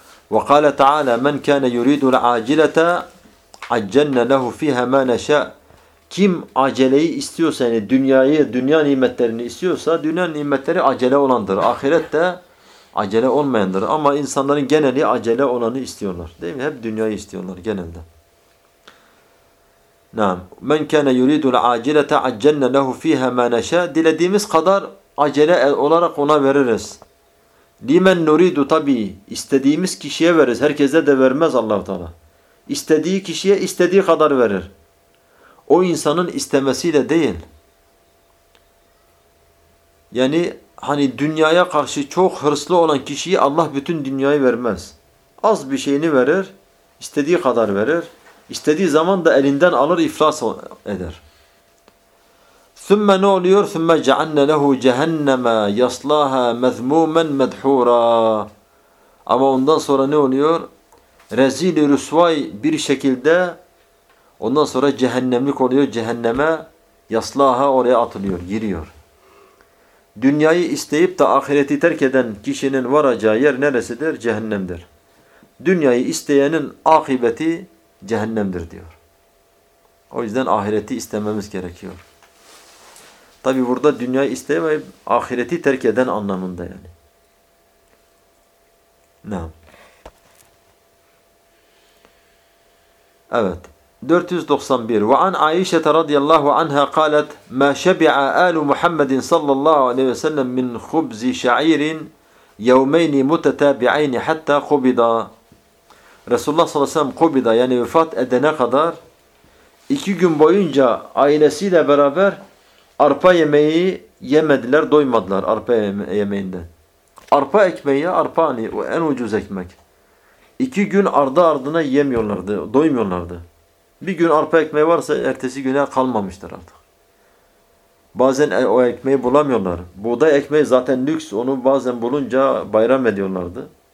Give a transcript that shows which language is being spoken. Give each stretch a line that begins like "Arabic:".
Turkish: وَقَالَ تَعَالَى
Arabic: مَنْ كَانَ يُرِيدُ الْعَاجِلَةَ عَجَّنَّ لَهُ فِيهَ مَا نَشَاءَ
Turkish: Kim aceleyi istiyorsa, yani dünyayı, dünya nimetlerini istiyorsa, dünya nimetleri acele olandır. Ahiret de acele olmayandır. Ama insanların geneli acele olanı istiyorlar. Değil mi? Hep dünyayı istiyorlar genelde.
Arabic: Naam. مَنْ كَانَ يُرِيدُ الْعَاجِلَةَ عَجَّنَّ لَهُ فِيهَ مَا نَشَاءَ
Turkish: Dilediğimiz kadar acele olarak ona veririz.
Arabic: لِمَنْ نُرِيدُ
Turkish: Tabii istediğimiz kişiye veririz. Herkese de vermez Allah-u Teala. İstediği kişiye istediği kadar verir. O insanın istemesiyle değil. Yani hani dünyaya karşı çok hırslı olan kişiyi Allah bütün dünyayı vermez. Az bir şeyini verir, istediği kadar verir. İstediği zaman da elinden alır, iflas eder. ثُمَّ ne oluyor?
Arabic: ثُمَّ جَعَنَّ لَهُ جَهَنَّمَا يَصْلَاهَا مَذْمُومًا مَدْحُورًا
Turkish: Ama ondan sonra ne oluyor? Rezil-i rüsvay bir şekilde ondan sonra cehennemlik oluyor. Cehenneme yaslaha oraya atılıyor, giriyor. Dünyayı isteyip de ahireti terk eden kişinin varacağı yer neresidir? Cehennemdir. Dünyayı isteyenin akıbeti cehennemdir diyor. O yüzden ahireti istememiz gerekiyor. Tabi burada dünyayı istemeyip ahireti terk eden anlamında yani. Evet. 491.
Arabic: وعن عائشة رضي الله عنها قالت ما شبع آل محمد صلى الله عليه وسلم من خبز شعير يومين متتابعين حتى قبض رسول الله صلى الله عليه وسلم قبض
Turkish: yani vefat edene kadar 2 gün boyunca ailesiyle beraber arpa yemeği yemediler, doymadılar arpa yemeğinden. Arpa ekmeği ya, arpa hani en ucuz ekmek. 2 gün ardı ardına yemiyorlardı, doymuyorlardı. Bir gün arpa ekmeği varsa ertesi güne kalmamıştır artık. Bazen o ekmeği bulamıyorlar. Buğday ekmeği zaten lüks. Onu bazen bulunca bayram ediyorlardı.